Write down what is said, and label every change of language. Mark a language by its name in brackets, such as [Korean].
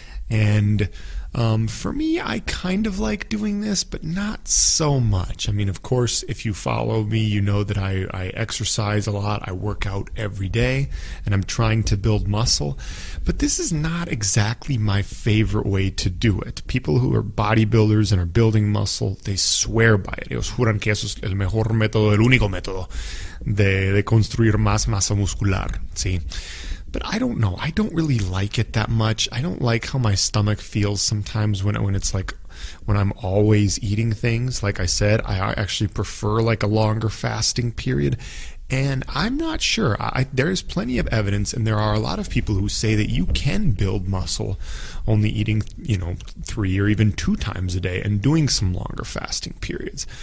[English] And for me, I kind of like doing this, but not so much. I mean, of course, if you follow me, you know that I exercise a lot. I work out every day, and I'm trying to build muscle. But this is not exactly my favorite way to do it. People who are bodybuilders and are building muscle, they swear by it. [Spanish] Ellos juran que eso es el mejor método, el único método de construir más masa muscular, ¿sí? [English] But I don't know. I don't really like it that much. I don't like how my stomach feels sometimes when it's like when I'm always eating things. Like I said, I actually prefer like a longer fasting period. And I'm not sure. There is plenty of evidence, and there are a lot of people who say that you can build muscle only eating, you know, three or even two times a day and doing some longer fasting periods.